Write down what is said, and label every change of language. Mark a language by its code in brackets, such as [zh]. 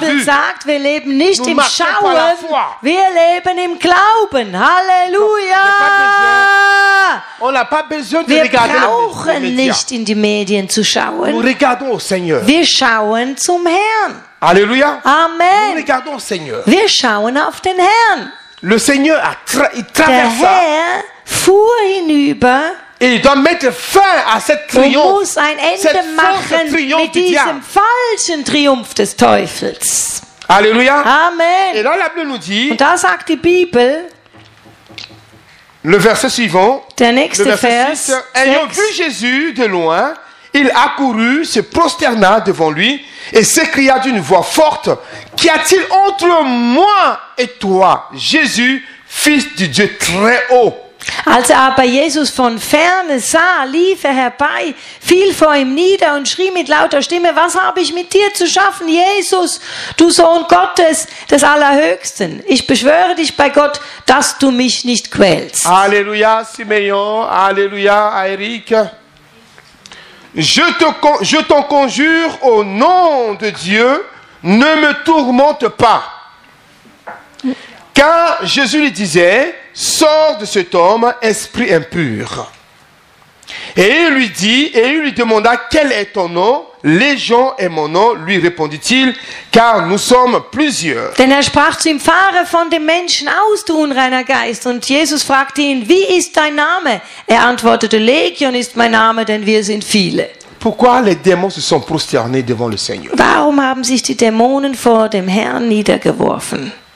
[de] Die Bibel sagt, wir leben nicht [fr] nous [de] im Schauen. Wir leben im Glauben. Halleluja. [fr] On n'a pas besoin de [de] wir [fr] regarder [de] brauchen [fr] les [de] nicht in die Medien zu schauen. [fr] Nous regardons au Seigneur. [de] Wir schauen zum Herrn. [fr] Alléluia. Amen. Nous regardons au Seigneur. [de] Wir schauen auf den Herrn. [fr] Le Seigneur a traversé. [de] Der Herr fuhr hinüber. [fr] Et il doit mettre fin à cette triomphe. [de] Er muss ein Ende machen mit diesem falschen Triumph des Teufels. [fr] Alléluia. Amen. Et là, la Bible nous dit. [de] Und da sagt die Bibel. [fr] Le verset suivant. [de] Der nächste Vers. [fr] Ayant vu Jésus de loin, il accourut, se prosterna devant lui et s'écria d'une voix forte : Qu'y a-t-il entre moi et toi, Jésus, fils du Dieu très haut ? [de] Als er aber Jesus von ferne sah, lief er herbei, fiel vor ihm nieder und schrie mit lauter Stimme: Was habe ich mit dir zu schaffen, Jesus, du Sohn Gottes, des Allerhöchsten? Ich beschwöre dich bei Gott, dass du mich nicht quälst. [fr] Alléluia, Simeon, Alléluia, Eric. Je t'en conjure au nom de Dieu, ne me tourmente pas. Car Jésus lui disait, sors de cet homme, esprit impur. Et il lui dit, et il lui demanda, quel est ton nom? Légion est mon nom, lui répondit-il, car nous sommes plusieurs. [de] Denn er sprach zu ihm, fahre von dem Menschen aus, du unreiner Geist. Und Jesus fragte ihn, wie ist dein Name? Er antwortete, Legion ist mein Name, denn wir sind viele. [fr] Pourquoi les démons se sont prosternés devant le Seigneur? [de] Warum haben sich die Dämonen vor dem Herrn niedergeworfen?